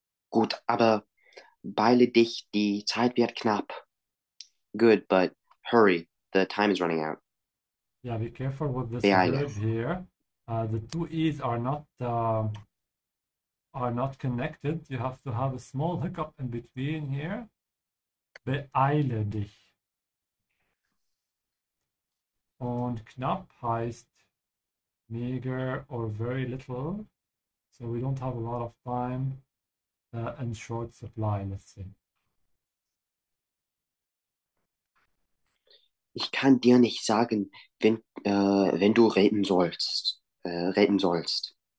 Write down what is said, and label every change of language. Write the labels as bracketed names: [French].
[German] Gut, aber beeile dich, die Zeit wird knapp. [English] Good, but hurry, the time is running out. Yeah, be careful with this word here. The two E's are not connected. You have to have a small hiccup in between here. [German] Beeile dich. Und knapp heißt [English] meager or very little. So we don't have a lot of time and short supply, let's see. [German] Ich kann dir nicht sagen, wenn du reden sollst.